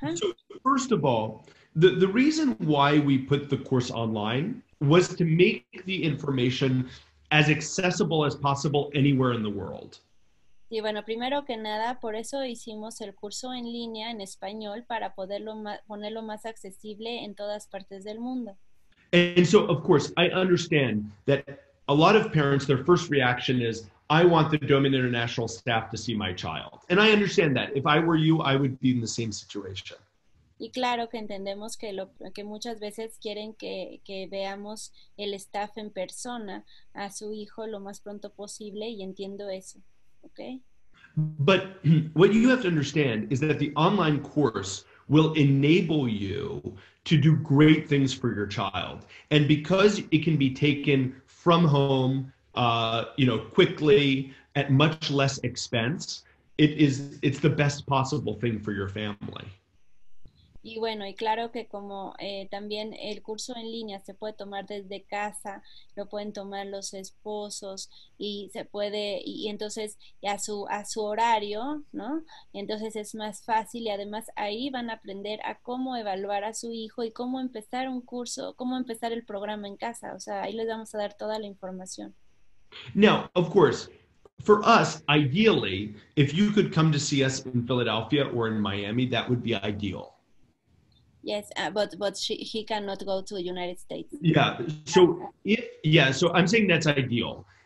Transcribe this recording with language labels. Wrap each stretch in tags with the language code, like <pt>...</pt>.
<en>So first of all, the reason why we put the course online was to make the information as accessible as possible anywhere in the world.</en> <es>Y bueno, primero que nada, por eso hicimos el curso en línea en español para ponerlo más accesible en todas partes del mundo.</es> <en>And so, of course, I understand that a lot of parents, their first reaction is, I want the Doman International staff to see my child. And I understand that. If I were you, I would be in the same situation.</en> <es>Y claro que entendemos que muchas veces quieren que veamos el staff en persona a su hijo lo más pronto posible, y entiendo eso.</es> <en>Okay? But what you have to understand is that the online course will enable you to do great things for your child. And because it can be taken from home, quickly, at much less expense, it's the best possible thing for your family.</en> <es>Y bueno, y claro que como también el curso en línea se puede tomar desde casa, lo pueden tomar los esposos, y se puede, y entonces y a su horario, ¿no? Entonces es más fácil, y además ahí van a aprender a cómo evaluar a su hijo y cómo empezar un curso, cómo empezar el programa en casa. O sea, ahí les vamos a dar toda la información.</es> <en>Now, of course, for us, ideally, if you could come to see us in Philadelphia or in Miami, that would be ideal. Yes, but he cannot go to the United States. Yeah, so so I'm saying that's ideal.</en>